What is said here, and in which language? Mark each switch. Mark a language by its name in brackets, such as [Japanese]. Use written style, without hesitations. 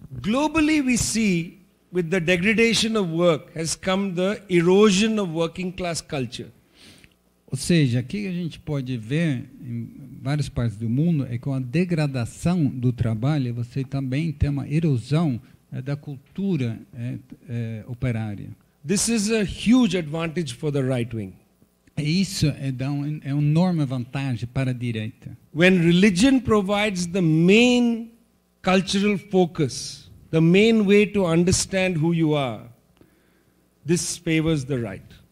[English] Globally we see with the degradation of work has come the erosion of working class culture. [Portuguese] Ou seja, o que a gente pode ver em várias partes do mundo é que com a degradação do trabalho você também tem uma erosão da cultura operária. [English] This is a huge advantage for the right wing. [Portuguese] Isso é uma enorme vantagem para a direita. [English] When religion provides the main cultural focus, the main way to understand who you are, this favors the right.